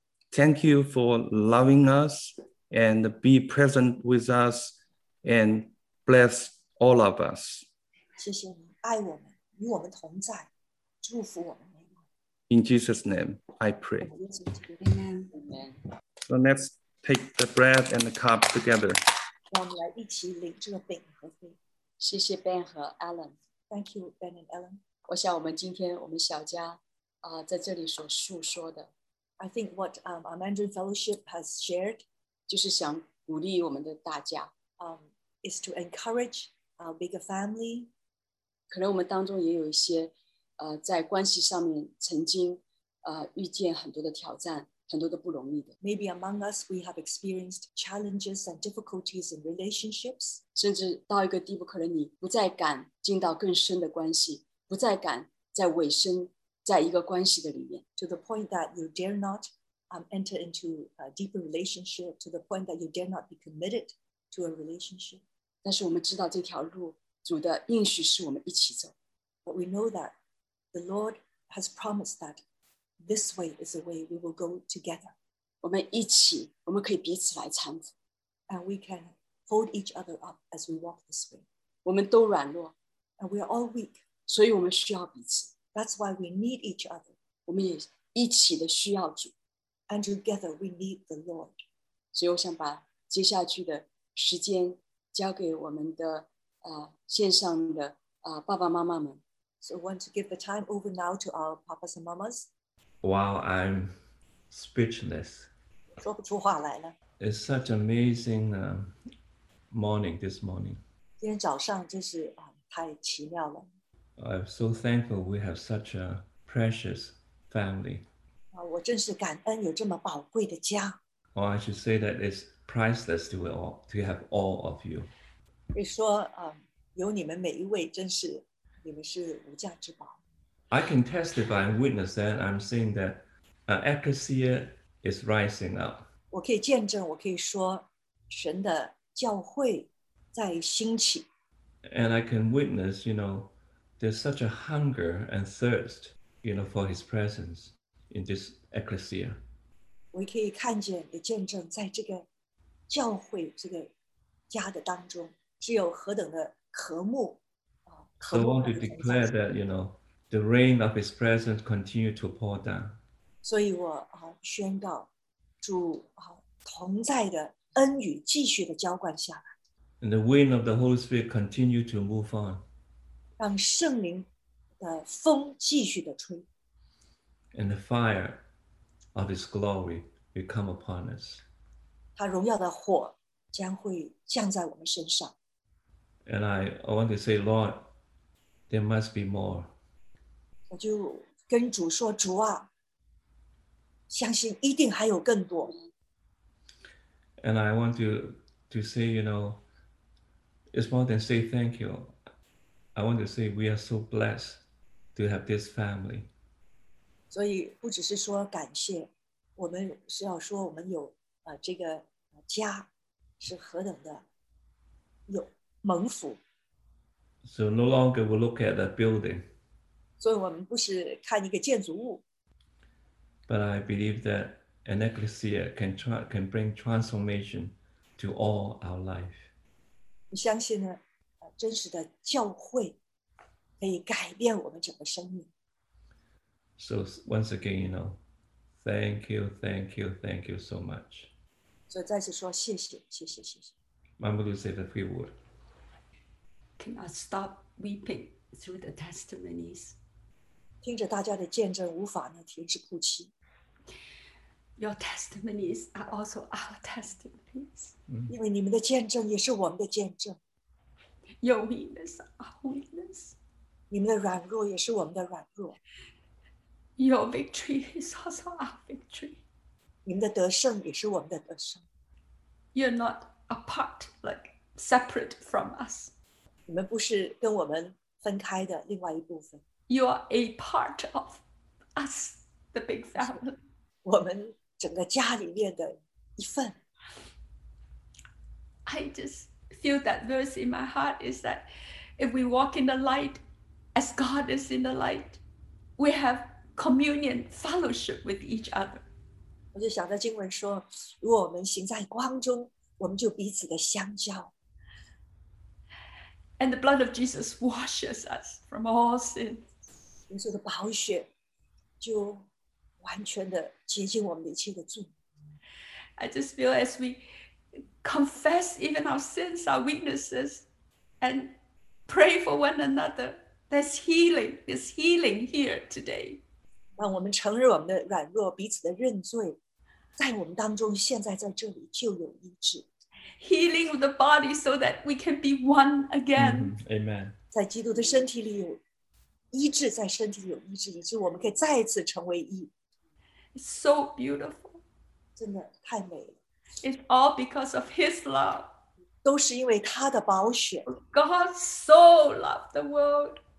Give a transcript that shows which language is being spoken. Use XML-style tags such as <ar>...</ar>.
<en>Thank you for loving us and be present with us and bless all of us.</en> <zh>谢谢你爱我们，与我们同在，祝福我们。</zh> <en>In Jesus' name, I pray. Amen. So let's take the bread and the cup together.</en> <zh>让我们来一起领这个饼和杯。谢谢 Ben 和 Alan.</zh> <en>Thank you, Ben and Alan.</en> <zh>我想我们今天我们小家。在这里所述说的</zh> <en>I think what our Mandarin Fellowship has shared</en> <zh>就是想鼓励我们的大家</zh> <en>is to encourage our bigger family</en> <zh>可能我们当中也有一些在关系上面曾经遇见很多的挑战很多的不容易的</zh> <en>Maybe among us we have experienced challenges and difficulties in relationships</en> <zh>甚至到一个地步可能你不再敢进到更深的关系不再敢在尾声在一个关系的里面</zh> <en>to the point that you dare not enter into a deeper relationship, to the point that you dare not be committed to a relationship.</en> <zh>但是我们知道这条路，主的应许是我们一起走。</zh> <en>But we know that the Lord has promised that this way is the way we will go together.</en> <zh>我们一起，我们可以彼此来搀扶。</zh> <en>And we can hold each other up as we walk this way.</en> <zh>我们都软弱。</zh> <en>And we are all weak.</en> <zh>所以我们需要彼此。</zh> <en>That's why we need each other.</en> <zh>我们也一起的需要主。</zh> <en>And together we need the Lord.</en> <zh>所以我想把接下去的时间交给我们的线上的爸爸妈妈们。</zh> <en>So I want to give the time over now to our papas and mamas. Wow, I'm speechless.</en> <zh>说不出话来了。</zh> <en>It's such amazing morning this morning.</en> <zh>今天早上真是太奇妙了。</zh> <en>I'm so thankful we have such a precious family.</en> <zh>我真是感恩有这么宝贵的家。</zh> <en>Oh, I should say that it's priceless to have all, of you.</en> <zh>你说，有你们每一位真是，你们是无价之宝。</zh> <en>I can testify and witness that I'm seeing that ecclesia is rising up.</en> <zh>我可以见证，我可以说，神的教会在兴起。</zh> <en>And I can witness, you know, there's such a hunger and thirst, you know, for his presence in this ecclesia.</en> <zh>我可以看见，也见证在这个教会这个家的当中，只有何等的渴慕。</zh> <en>So I want to declare that, you know, the rain of his presence continue to pour down.</en> <zh>所以我宣告主同在的恩雨继续的浇灌下来。</zh> <en>And the wind of the Holy Spirit continue to move on.</en> <zh>让圣灵的风继续的吹。</zh> <en>And the fire of his glory will come upon us.</en> <zh>他荣耀的火将会降在我们身上。</zh> <en>And I want to say, Lord, there must be more.</en> <zh>我就跟主说，主啊，相信一定还有更多。</zh> <en>And I want to say, you know, it's more than say thank you. I want to say we are so blessed to have this family.</en> <zh>所以不只是说感谢，我们是要说我们有这个家是何等的有蒙福。</zh> <en>So no longer we look at a building.</en> <zh>所以我们不是看一个建筑物。</zh> <en>But I believe that an ecclesia can bring transformation to all our life.</en> <zh>我相信呢，真实的教会可以改变我们整个生命。</zh> <en>So once again, you know, thank you, thank you, thank you so much.</en> <zh>所以再次说谢谢，谢谢，谢谢。</zh> <en>Mama Lou said a few words. Cannot stop weeping through the testimonies.</en> <zh>听着大家的见证，无法呢停止哭泣。</zh> <en>Your testimonies are also our testimonies.</en> <zh>因为你们的见证也是我们的见证。</zh> <en>Your weakness are our weakness.</en> <zh>你们的软弱也是我们的软弱。</zh> <en>Your victory is also our victory.</en> <zh>你们的得胜也是我们的得胜。</zh> <en>You're not apart, like separate from us.</en> <zh>你们不是跟我们分开的另外一部分。</zh> <en>You are a part of us, the big family.</en> <zh>我们整个家里面的一份。</zh> <en>I just feel that verse in my heart is that if we walk in the light as God is in the light, we have communion, fellowship with each other.</en> <zh>我就想到经文说，如果我们行在光中，我们就彼此的相交。</zh> <en>And the blood of Jesus washes us from all sins.</en> <zh>耶稣的宝血就完全的洁净我们一切的罪。</zh> <en>I just feel as we confess even our sins, our weaknesses, and pray for one another, there's healing, there's healing here today.</en> <zh>让我们承认我们的软弱，彼此的认罪，在我们当中，现在在这里就有医治。</zh> <en>Healing of the body so that we can be one again. Amen.</en> <zh>在基督的身体里有医治，在身体里有医治，以致我们可以再次成为一。</zh> <en>It's so beautiful.</en> <zh>真的太美了。</zh> <en>It's all because of his love.</en> <zh>都是因为他的宝血。</zh> <en>God so loved the world.</en>